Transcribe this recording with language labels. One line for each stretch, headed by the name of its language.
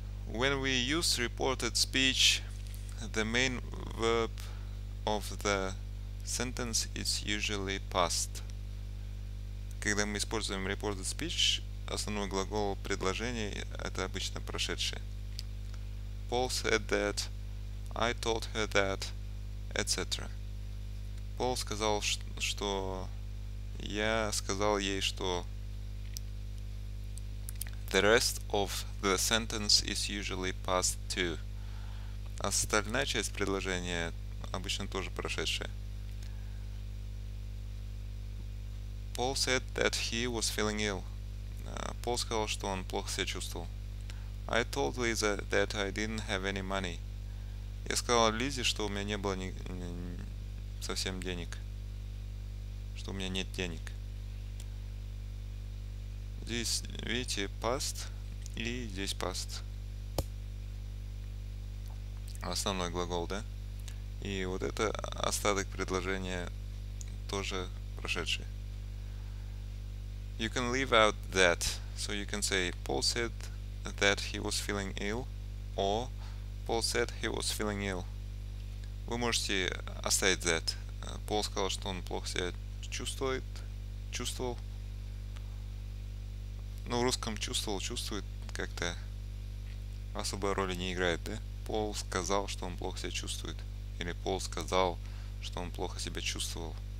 English: When we use reported speech, the main verb of the sentence is usually past.
Russian: Когда мы используем reported speech, основной глагол предложения – это обычно прошедшее.
English: Paul said that, I told her that, etc. Paul
Russian: сказал, что я сказал ей, что
English: the rest of the sentence is usually past too.
Russian: Остальная часть предложения обычно тоже прошедшая.
English: Paul said that he was feeling ill.
Russian: Paul сказал, что он плохо себя чувствовал. I told Lisa that I didn't have any money. Я сказал Лизе, что у меня не было совсем денег. Что у меня нет денег. Здесь, видите, past и здесь past. Основной глагол, да? И вот это остаток предложения тоже прошедший.
English: You can leave out that. So you can say, Paul said that he was feeling ill, or Paul said he was feeling ill.
Russian: Вы можете оставить that. Paul сказал, что он плохо себя чувствовал. Ну, в русском чувствует как-то особой роли не играет, да? Paul сказал, что он плохо себя чувствует. Или Paul сказал, что он плохо себя чувствовал.